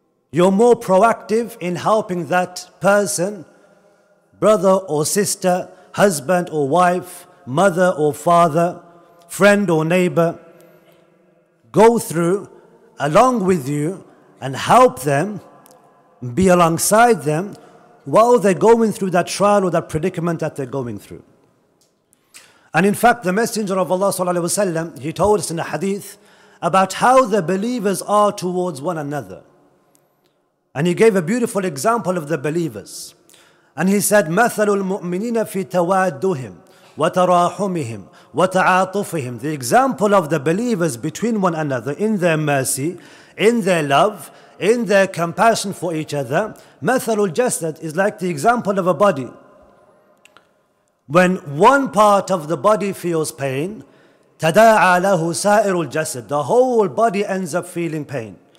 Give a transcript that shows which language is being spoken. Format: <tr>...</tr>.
<en>You're more proactive in helping that person, brother or sister, husband or wife, mother or father, friend or neighbor, go through along with you and help them, be alongside them while they're going through that trial or that predicament that they're going through. And in fact, the Messenger of Allah sallallahu alaihi wasallam, he told us in a hadith about how the believers are towards one another. And he gave a beautiful example of the believers. And he said,</en> <ar>مَثَلُ الْمُؤْمِنِينَ فِي تَوَادُّهِمْ وَتَرَاحُمِهِمْ وَتَعَاطُفِهِمْ.</ar> <en>The example of the believers between one another in their mercy, in their love, in their compassion for each other.</en> <ar>مَثَلُ الْجَسَدِ</ar> <en>is like the example of a body. When one part of the body feels pain,</en> <ar>تَدَاعَى لَهُ سَائِرُ الْجَسَدِ,</ar> <en>the whole body ends up feeling pain.</en>